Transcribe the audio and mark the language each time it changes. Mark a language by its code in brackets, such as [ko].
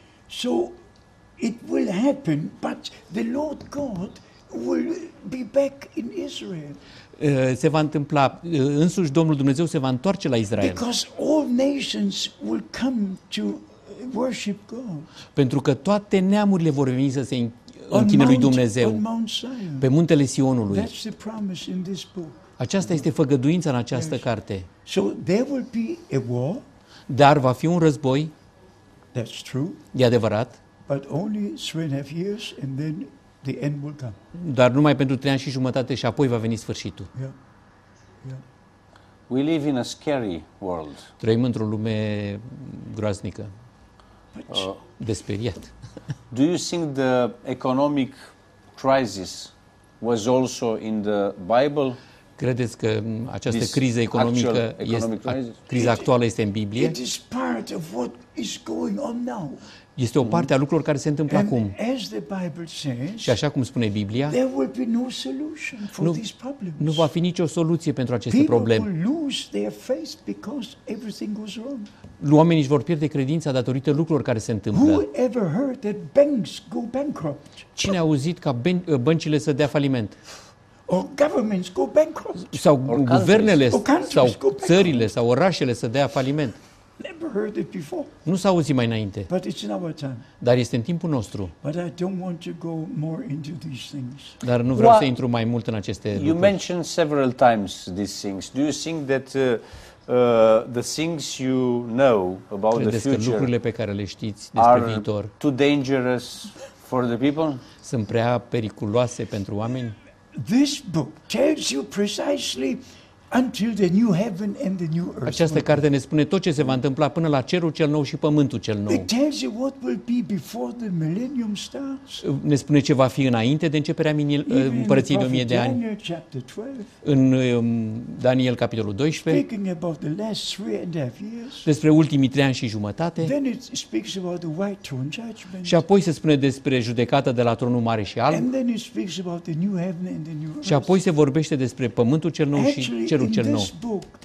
[en] So it will happen, but the Lord God will be back in Israel. [ro] Se va întâmpla, însuși Domnul Dumnezeu se va întoarce la Israel. [en] Because all nations will come to worship God. [ro] Pentru că toate neamurile vor veni să se închine lui Dumnezeu pe muntele Sionului. [en] That's the promise in this book. [ro] Aceasta este făgăduința în această carte. [en] So there will be a war. [ro] Dar va fi un război. [en] That's true. [ro] E adevărat. [en] But only 3.5 years and then the end will come. [ro] Dar numai pentru 3 ani și jumătate și apoi va veni sfârșitul. [en] Yeah. Yeah. We live in a scary world. [ro] Trăim într-o lume groaznică. Desperiat. [en] Do you think the economic crisis was also in the Bible? [ro] Credeți că această criză economică este criza actuală este în Biblie? [en] It is part of what is going on now. [ro] Este o parte a lucrurilor care se întâmplă acum. [en] As the Bible says, [ro] și așa cum spune Biblia, [en] there will be no solution for these problems. [ro] Nu va fi nicio soluție pentru aceste probleme. [en] People will lose their faith because everything goes wrong. [ro] Oamenii își vor pierde credința datorită lucrurilor care se întâmplă. [en] Who ever heard that banks go bankrupt? [ro] Cine a auzit ca băncile să dea faliment? [en] Or governments go bankrupt. [ro] Sau guvernele sau țările sau orașele să dea faliment. [en] Never heard it before. [ro] Nu s-a auzit mai înainte. [en] But it's in our time. [ro] Dar este în timpul nostru. [en] But I don't want to go more into these things. [ro] Dar nu vreau să intru mai mult în aceste lucruri. [en] You mentioned several times these things. Do you think that the things you know about the future? [ro] Credeți că lucrurile pe care le știți despre viitor [en] are too dangerous for the people? [ro] Sunt prea periculoase pentru oameni? [en] This book tells you precisely until the new heaven and the new earth. [ro] Această carte ne spune tot ce se va întâmpla până la cerul cel nou și pământul cel nou. [en] It tells you what will be before the millennium starts. [ro] Ne spune ce va fi înainte de începerea împărăției de 1000 de ani. În Daniel capitolul 12. [en] Speaking about the last 3.5 years. [ro] Despre ultimii 3 ani și jumătate. [en] Then it speaks about the white throne judgment. [ro] Și apoi se spune despre judecata de la tronul mare și alb. [en] And then it speaks about the new heaven and the new earth. [ro] Și apoi se vorbește despre pământul cel nou și cerul cel nou.